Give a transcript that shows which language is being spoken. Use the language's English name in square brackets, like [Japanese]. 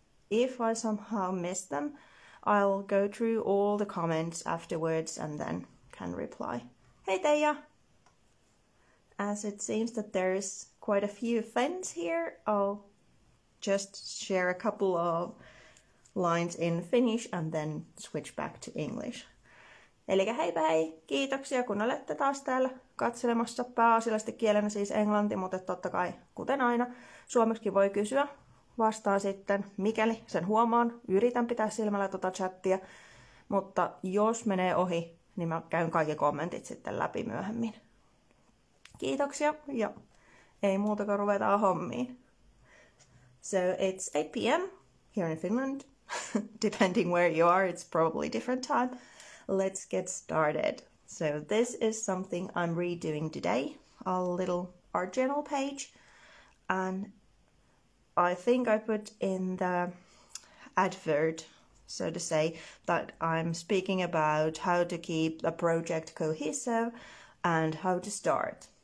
[English] If I somehow miss them, I'll go through all the comments afterwards and then can reply. Hey, Teija! As it seems that there's quite a few Finns here, I'll just share a couple of lines in Finnish and then switch back to English. [Finnish] Elikkä heipä hei, kiitoksia kun olette taas täällä katselemassa pääasiallisesti kielenä siis englanti, mutta totta kai kuten aina suomeksi voi kysyä. Vastaan sitten, mikäli sen huomaan, yritän pitää silmällä tota chattia, mutta jos menee ohi, niin mä käyn kaikki kommentit sitten läpi myöhemmin. Kiitoksia, ja ei muuta kuin ruvetaan hommiin. [English] So it's 8 p.m. here in Finland. Depending where you are, it's probably different time. Let's get started. So this is something I'm redoing today, a little art journal page. And I think I put in the advert, so to say, that I'm speaking about how to keep a project cohesive and how to start.